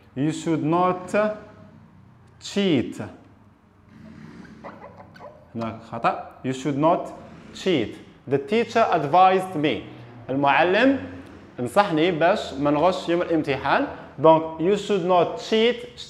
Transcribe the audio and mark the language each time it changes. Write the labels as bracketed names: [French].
[English] you should not cheat [Arabic] هنا خطا، [English] you should not cheat. The teacher advised me، [Arabic] المعلم نصحني باش ما نغش يوم الامتحان. دونك [English] you should not cheat.